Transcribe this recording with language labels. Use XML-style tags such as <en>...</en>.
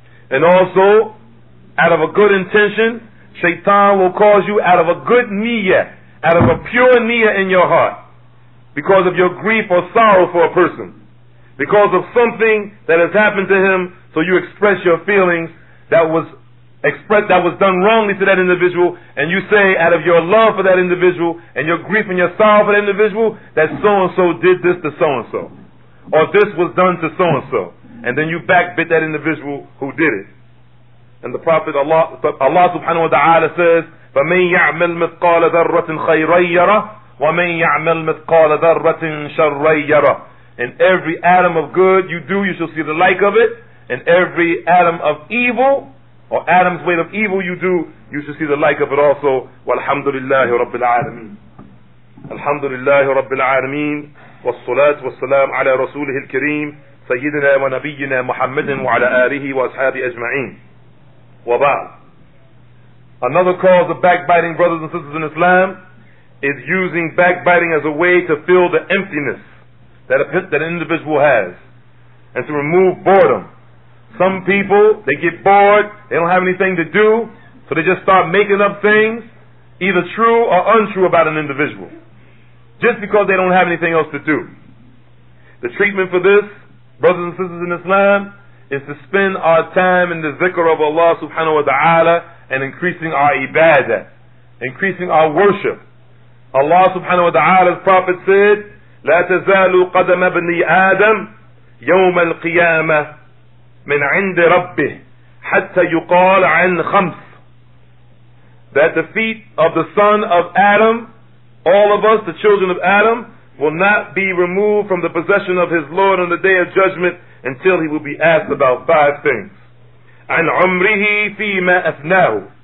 <en>And also, out of a good intention, shaitan will cause you, out of a good niyyah, out of a pure niyyah in your heart, because of your grief or sorrow for a person, because of something that has happened to him, so you express your feelings that was done wrongly to that individual, and you say, out of your love for that individual and your grief and your sorrow for that individual, that so-and-so did this to so-and-so, or this was done to so-and-so, and then you backbit that individual who did it. And the Prophet Allah subhanahu wa ta'ala says,</en> <ar>فَمَنْ يَعْمَلْ مِثْقَالَ ذَرَّةٍ خَيْرًا يَرَهُ وَمَنْ يَعْمَلْ مِثْقَالَ ذَرَّةٍ شَرًّا يَرَهُ.</ar> <en>And every atom of good you do, you shall see the like of it, and every atom of evil, or atom's weight of evil you do, you shall see the like of it also.</en> <ar>وَالْحَمْدُ رَبِّ الْعَالَمِينَ. الْحَمْدُ رَبِّ الْعَالَمِينَ. والصلاة والسلام على رسوله الكريم سيدنا ونبينا محمد وعلى آله وأصحابه أجمعين وبعد.</ar> <en>Another cause of backbiting, brothers and sisters in Islam, is using backbiting as a way to fill the emptiness that an individual has and to remove boredom. Some people, they get bored, they don't have anything to do, so they just start making up things, either true or untrue about an individual, just because they don't have anything else to do. The treatment for this, brothers and sisters in Islam, is to spend our time in the zikr of Allah subhanahu wa ta'ala and increasing our ibadah, increasing our worship. Allah subhanahu wa ta'ala's prophet said,</en> <ar>لا تزال قدم ابن آدم يوم القيامة من عند ربه حتى يقال عن خمس.</ar> <en>That the feet of the son of Adam, all of us, the children of Adam, will not be removed from the possession of his Lord on the day of judgment until he will be asked about five things.</en> <ar>عن عمره فيما أثناه.</ar>